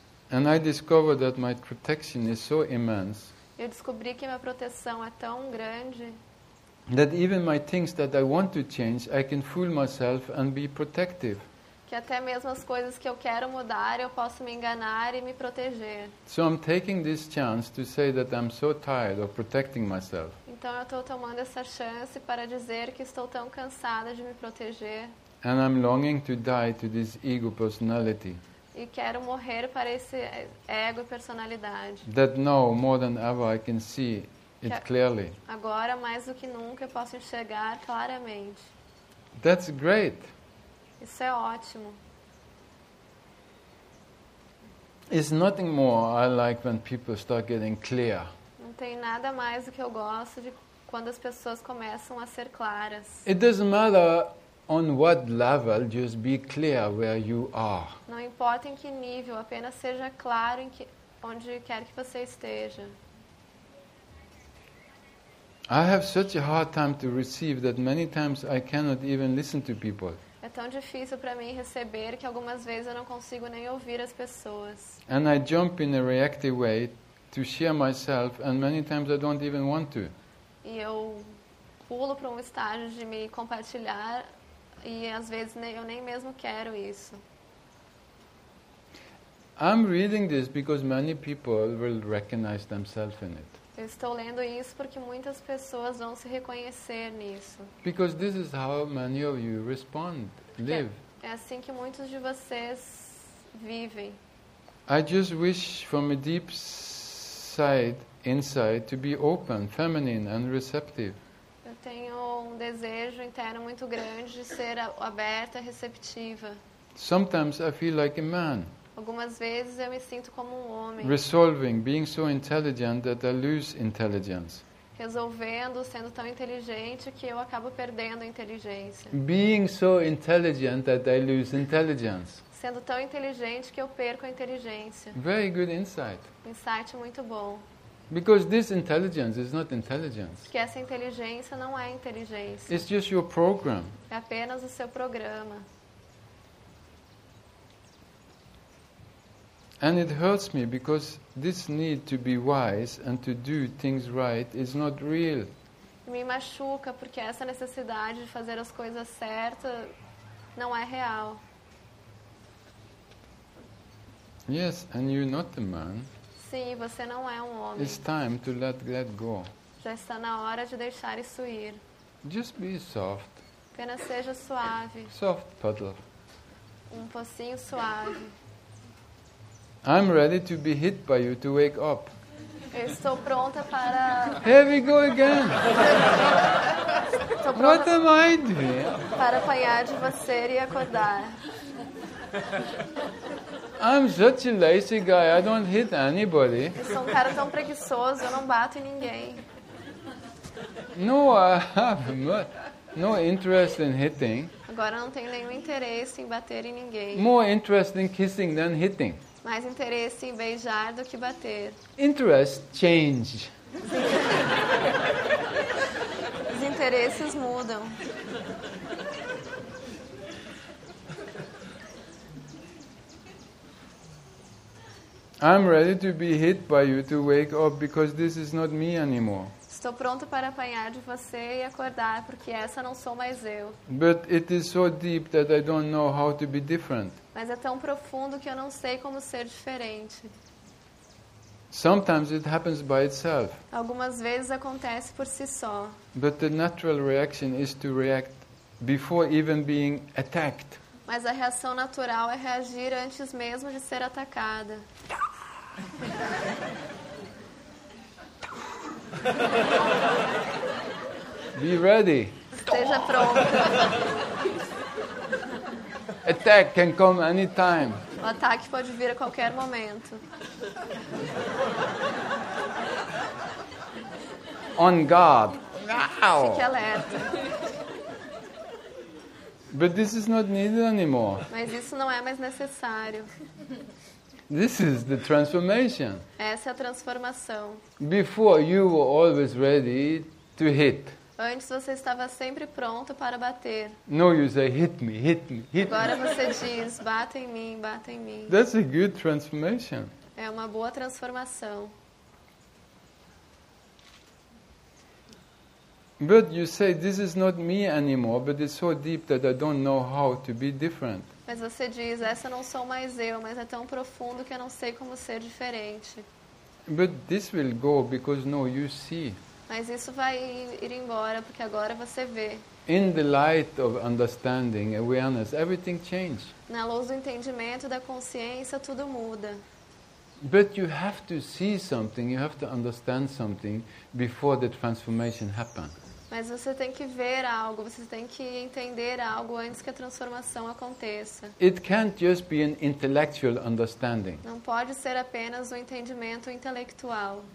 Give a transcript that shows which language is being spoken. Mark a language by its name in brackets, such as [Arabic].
[English] And I discover that my protection is so immense. [Portuguese] Eu descobri que minha proteção é tão grande. [English] That even my things that I want to change, I can fool myself and be protective. [Portuguese] Que até mesmo as coisas que eu quero mudar, eu posso me enganar e me proteger. [English] So I'm taking this chance to say that I'm so tired of protecting myself. [Portuguese] Então eu estou tomando essa chance para dizer que estou tão cansada de me proteger. [English] And I'm longing to die to this ego personality. [Portuguese] E quero morrer para esse ego e personalidade. [English] That now more than ever I can see it clearly. [Portuguese] Agora mais do que nunca eu posso enxergar claramente. [English] That's great. [Portuguese] Isso é ótimo. [English] It's nothing more I like when people start getting clear. [Portuguese] Não tem nada mais do que eu gosto de quando as pessoas começam a ser claras. [English] It doesn't matter on what level, just be clear where you are. [Portuguese] Não importa em que nível, apenas seja claro em que, onde quer que você esteja. [English] I have such a hard time to receive that many times I cannot even listen to people. [Portuguese] É tão difícil para mim receber que algumas vezes eu não consigo nem ouvir as pessoas. [English] And I jump in a reactive way to share myself, and many times I don't even want to. [Portuguese] E eu pulo para um estágio de me compartilhar e às vezes eu nem mesmo quero isso. [English] I'm reading this because many people will recognize themselves in it. [Portuguese] Eu estou lendo isso porque muitas pessoas vão se reconhecer nisso. [English] Because this is how many of you respond, live. [Portuguese] É assim que muitos de vocês vivem. [English] I just wish from a deep side inside to be open, feminine and receptive. [Portuguese] Eu tenho um desejo interno muito grande de ser aberta, receptiva. [English] Sometimes I feel like a man. [Portuguese] Algumas vezes eu me sinto como um homem. [English] Resolving, being so intelligent that I lose intelligence. [Portuguese] Resolvendo, sendo tão inteligente que eu acabo perdendo a inteligência. [English] Being so intelligent that I lose intelligence. [Portuguese] Sendo tão inteligente que eu perco a inteligência. [English] Very good insight. [Portuguese] Insight muito bom. [English] Because this intelligence is not intelligence. [Portuguese] Porque essa inteligência não é inteligência. [English] It's just your program. [Portuguese] É apenas o seu programa. [English] And it hurts me because this need to be wise and to do things right is not real. [Portuguese] Me machuca porque essa necessidade de fazer as coisas certas não é real. [English] Yes, and you're not a man. [Portuguese] Sim, você não é um homem. [English] It's time to let that go. [Portuguese] Já está na hora de deixar isso ir. [English] Just be soft. [Portuguese] Apenas seja suave. [English] Soft puddle. [Portuguese] Um pocinho suave. [English] I'm ready to be hit by you to wake up. [Portuguese] Eu estou pronta para. [English] Here we go again. What am I doing? [Portuguese] Para apanhar de você e acordar. [English] I'm such a lazy guy. I don't hit anybody. [Portuguese] Eu sou um cara tão preguiçoso. Eu não bato em ninguém. [English] No, I have no interest in hitting. [Portuguese] Agora não tenho nenhum interesse em bater em ninguém. [English] More interest in kissing than hitting. [Portuguese] Mais interesse em beijar do que bater. [English] Interest change. [Portuguese] Os interesses mudam. [English] I'm ready to be hit by you to wake up because this is not me anymore. [Portuguese] Estou pronto para apanhar de você e acordar porque essa não sou mais eu. [English] But it is so deep that I don't know how to be different. [Portuguese] Mas é tão profundo que eu não sei como ser diferente. [English] Sometimes it happens by itself. [Portuguese] Algumas vezes acontece por si só. [English] But the natural reaction is to react before even being attacked. [Portuguese] Mas a reação natural é reagir antes mesmo de ser atacada. [English] Be ready. [Portuguese] Esteja pronto. [English] Attack can come anytime. [Portuguese] O ataque pode vir a qualquer momento. [English] On guard. Now. [Portuguese] Fique alerta. [English] But this is not needed anymore. [Portuguese] Mas isso não é mais necessário. [English] This is the transformation. [Portuguese] Essa é a transformação. [English] Before you were always ready to hit. [Portuguese] Antes você estava sempre pronto para bater. [English] No, you say hit me, hit me, hit me. [Portuguese] Agora você diz bate em mim, bate em mim. [English] That's a good transformation. [Portuguese] É uma boa transformação. [English] But you say this is not me anymore, but it's so deep that I don't know how to be different. [Portuguese] Mas você diz, essa não sou mais eu, mas é tão profundo que eu não sei como ser diferente. [English] But this will go because now you see. [Portuguese] Mas isso vai ir embora porque agora você vê. [English] In the light of understanding, awareness, everything changes. [Portuguese] Na luz do entendimento, da consciência, tudo muda. [English] But you have to see something, you have to understand something before the transformation happens. [Portuguese] Mas você tem que ver algo, você tem que entender algo antes que a transformação aconteça. [English] It can't just be an intellectual understanding. [Portuguese] Não pode ser apenas um entendimento intelectual.